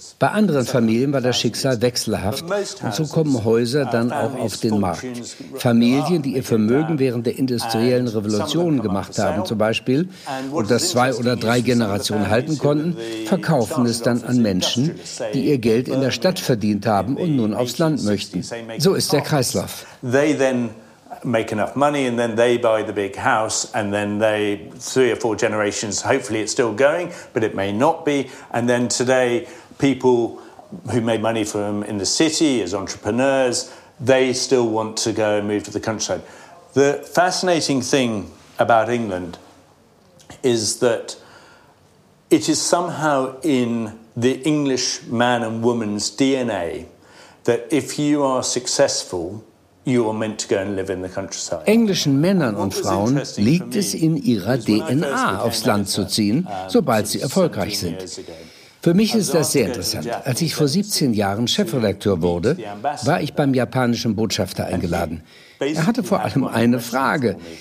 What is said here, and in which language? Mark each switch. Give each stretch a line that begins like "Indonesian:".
German: Bei anderen Familien war das Schicksal wechselhaft, und so kommen Häuser dann auch auf den Markt. Familien, die ihr Vermögen während der industriellen Revolution gemacht haben, zum Beispiel, und das zwei oder drei Generationen halten konnten, verkaufen es dann an Menschen, die ihr Geld in der Stadt verdient haben und nun aufs Land möchten. So ist der Kreis.
English: They then make enough money, and then they buy the big house, and then they, three or four generations, hopefully it's still going, but it may not be. And then today, people who made money from in the city as entrepreneurs, they still want to go and move to the countryside. The fascinating thing about England is that it is somehow in the English man and woman's DNA that if you are successful, you are meant to go and live in the countryside.
German: Englischen Männern und Frauen liegt es in ihrer DNA, aufs Land zu ziehen, sobald sie erfolgreich sind. Für mich ist das sehr interessant. Als ich vor 17 Jahren Chefredakteur wurde, war ich beim japanischen Botschafter eingeladen. Er hatte vor allem eine Frage.